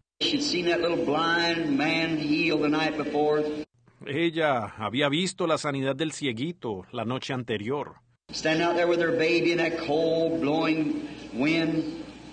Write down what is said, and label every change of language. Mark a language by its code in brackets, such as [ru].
[en] She'd seen that little blind man healed the night before. [es] Ella había visto la sanidad del cieguito la noche anterior. [en] Stand out there with her baby in that cold, blowing wind.